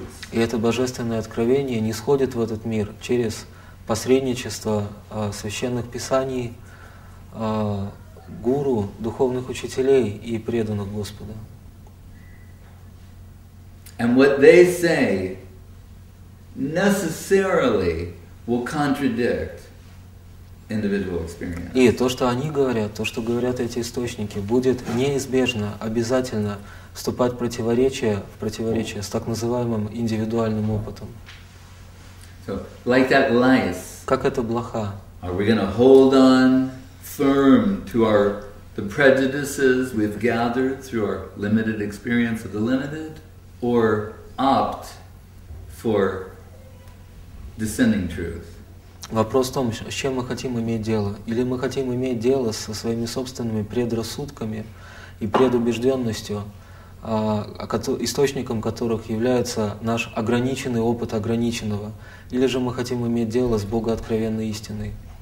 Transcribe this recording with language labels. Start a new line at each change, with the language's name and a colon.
Russian: И это божественное откровение нисходит в этот мир через посредничество священных писаний, гуру, духовных учителей и преданных Господа.
English: And what they say necessarily will contradict individual experience.
Russian: И то, что они говорят, то, что говорят эти источники, будет неизбежно, обязательно вступать в противоречие с так называемым индивидуальным опытом.
English: So, like that lice,
Russian: как эта блоха.
English: Are we going to hold on firm to the prejudices we've gathered through our limited experience of the limited, or opt for descending truth?
Russian: Вопрос в том, с чем мы хотим иметь дело. Или мы хотим иметь дело со своими собственными предрассудками и предубежденностью, источником которых является наш ограниченный опыт ограниченного, или же мы хотим иметь дело с Богооткровенной истиной.